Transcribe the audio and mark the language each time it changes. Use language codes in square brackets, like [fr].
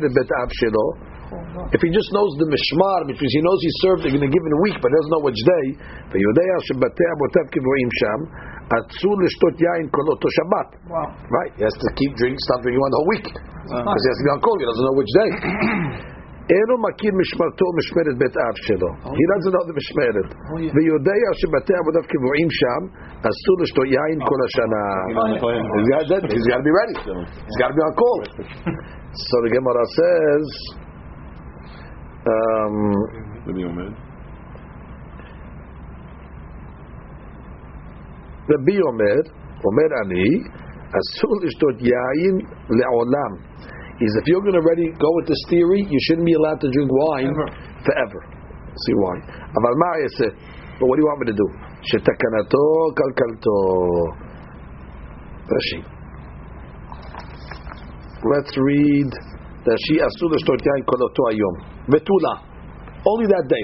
[en] If he just knows the mishmar, because he knows he served in a given week, but doesn't know which day, right? He has to keep drinking, stop drinking one whole week, because he has to be on call. He doesn't know which day. [he] אינו מכיר משמרתו ומשמרת בית אב שלו. [en] He doesn't know the [he] משמרת. ויודע שבתי עבודיו קבועים שם, אסור לשתות יין כל השנה. [en] He's got to be ready. He's got to be on call. So the Gemara says, [he] רבי אומר, אומר אני, אסור לשתות יין לעולם. [en] Is if you're going to ready go with this theory, you shouldn't be allowed to drink wine forever. See why? [he] Aval ma'ay [en] said, but what do you want me to do? [he] Shetakanato kalkalto. Rashi. [en] Let's read. [he] Rashi asul eshtot yain kol oto hayom. Betula. [en] Only that day.